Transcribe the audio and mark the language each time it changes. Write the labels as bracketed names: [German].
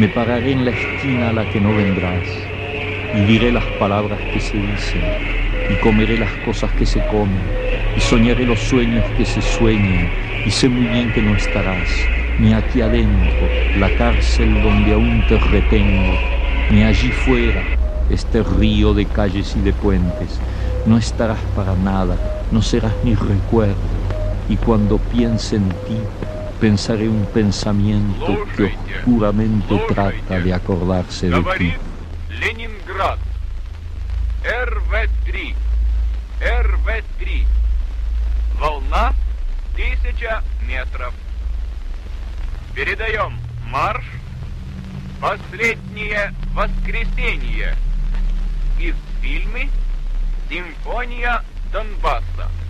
[Spanish] Me pararé en la esquina a la que no vendrás, y diré las palabras que se dicen, y comeré las cosas que se comen, y soñaré los sueños que se sueñen, y sé muy bien que no estarás, ni aquí adentro, la cárcel donde aún te retengo, ni allí fuera, este río de calles y de puentes. No estarás para nada, no serás ni recuerdo, y cuando piense en ti, pensaré un pensamiento que oscuramente trata de acordarse de ti. [Russian] Leningrad, RV3, RV3, волна 1000 метров. Передаем марш, последнее воскресенье, из фильма «Симфония Донбасса».